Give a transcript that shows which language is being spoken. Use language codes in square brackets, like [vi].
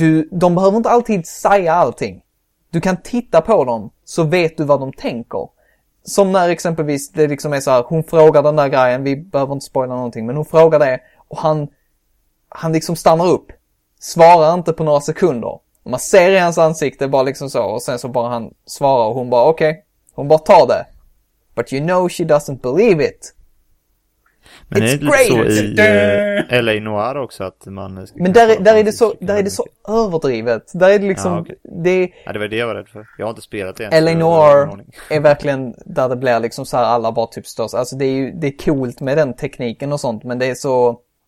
[sv] De behöver inte alltid säga allting. Du kan titta på dem så vet du vad de tänker. Som när exempelvis det liksom är så här, hon frågar den där grejen, vi behöver inte spoila någonting, men hon frågar det och han liksom stannar upp. Svarar inte på några sekunder. Man ser i hans ansikte bara liksom så och sen så bara han svarar och hon bara okej. Hon bara tar det. [en] But you know she doesn't believe it. [sv] Men it's är det great. Lite så i L.A. Noire också att man... Men där är det så överdrivet. Där är det liksom... Ja, okay. det var det jag var rädd för. Jag har inte spelat det än. L.A. Noire är verkligen där det blir liksom så här alla bara typ stås. Alltså det är coolt med den tekniken och sånt men det är så...